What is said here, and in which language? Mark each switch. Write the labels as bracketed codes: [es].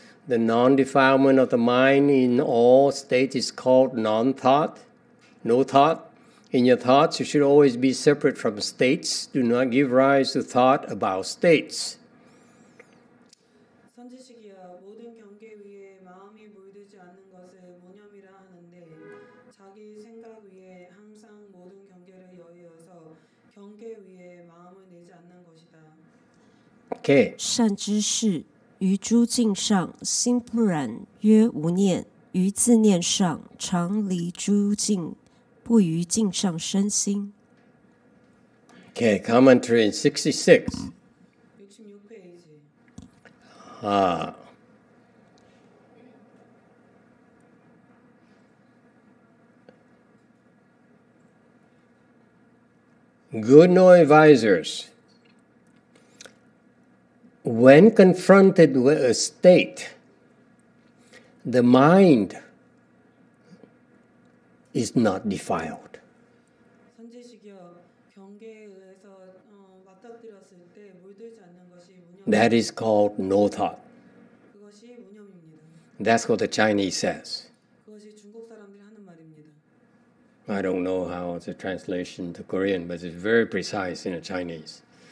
[en] The non-defilement of the mind in all states is called non-thought, no thought. In your thoughts, you should always be separate from states. Do not give rise to thought about states. [ko] 선지식이여, 모든 경계 위에 마음이 물들지 않는 것을 무념이라 하는데 자기 생각 위에 항상 모든 경계를 여의어서 경계 위에 마음을 내지 않는 것이다. [en] Okay. [zh] 善知识 于诸境上心不染，曰无念；于自念上常离诸境，不于境上身心。 [en] Okay, commentary in 66. [ko] 66페이지. [en] Good no advisors. When confronted with a state, the mind is not defiled. [ko] 선지식이여, 경계에 의해서 맞닥뜨렸을 때 물들지 않는 것이 무념. [en] That is called no thought. [ko] 그것이 무념입니다. [en] That's what the Chinese says. [ko] 그것이 중국 사람들이 하는 말입니다. [en] I don't know how it's a translation to Korean, but it's very precise in the Chinese.